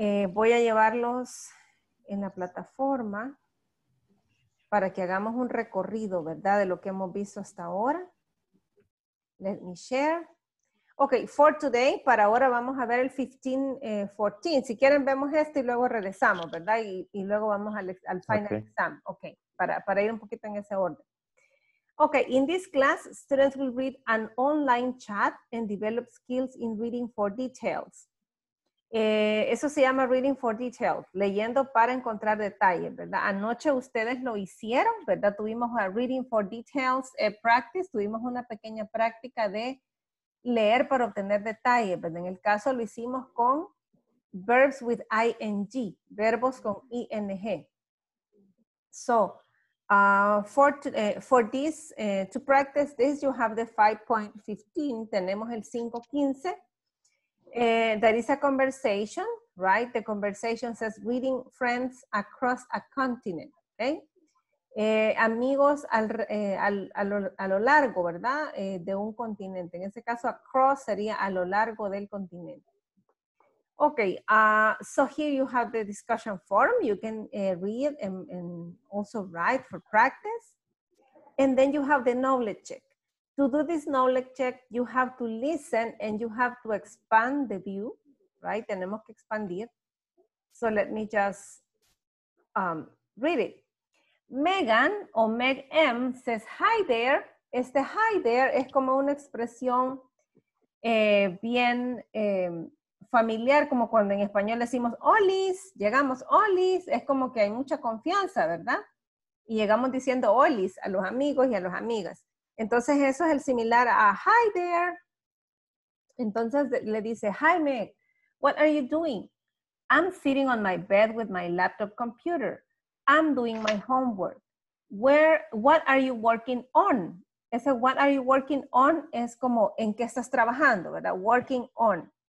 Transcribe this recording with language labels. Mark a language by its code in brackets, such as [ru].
[es] Voy a llevarlos en la plataforma para que hagamos un recorrido, ¿verdad? De lo que hemos visto hasta ahora. [en] Let me share. Ok, for today, [es] para ahora vamos a ver el 15, 14. Si quieren vemos esto y luego regresamos, ¿verdad? Y luego vamos al final [en] okay. Exam. [es] Ok, para ir un poquito en ese orden. [en] Okay, in this class, students will read an online chat and develop skills in reading for details. [es] Eso se llama [en] reading for details, [es] leyendo para encontrar detalles, ¿verdad? Anoche ustedes lo hicieron, ¿verdad? Tuvimos a [en] reading for details practice, [es] tuvimos una pequeña práctica de leer para obtener detalles, ¿verdad? En el caso lo hicimos con [en] verbs with ing, [es] verbos con ing. [en] So, to practice this, you have the 5.15, [es] tenemos el 5.15. [en] There is a conversation, right? The conversation says reading friends across a continent, okay? [es] Amigos a lo largo, ¿verdad? De un continente. En ese caso, across sería a lo largo del continente. [en] Okay, so here you have the discussion form. You can read and also write for practice. And then you have the knowledge check. To do this knowledge check, you have to listen and you have to expand the view, right? [es] Tenemos que expandir. [en] So let me just read it. [es] Megan o [en] Meg M says, hi there. [es] Este [en] hi there [es] es como una expresión bien... familiar, como cuando en español decimos olis, llegamos olis, es como que hay mucha confianza, ¿verdad? Y llegamos diciendo olis a los amigos y a las amigas. Entonces eso es el similar a [en] hi there. [es] Entonces le dice, [en] hi Meg, what are you doing? I'm sitting on my bed with my laptop computer. I'm doing my homework. what are you working on? [es] Ese what are you working on es como en qué estás trabajando, ¿verdad? [en] Working on.